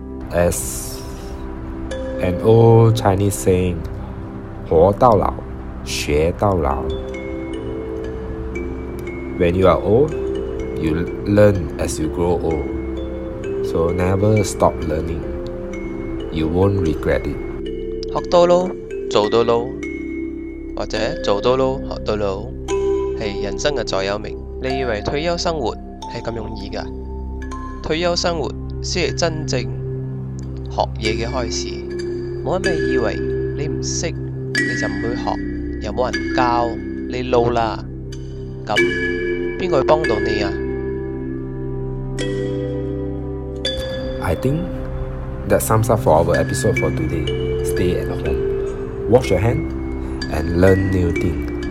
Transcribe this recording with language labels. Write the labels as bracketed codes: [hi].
[en] As an old Chinese saying， [zh] 活到老，学到老。 [en] When you are old， you learn as you grow old， so never stop learning， you won't regret it。 [zh] 学到老，做到老。或者做到老学到老是人生的座右铭。你以为退休生活是这么容易的？退休生活才是真正学嘢的开始。没什么以为你不懂你就不会学，又没人教你老了，那谁会帮到你啊？ [en] I think that sums up for our episode for today. Stay at home, wash your handAnd learn new things.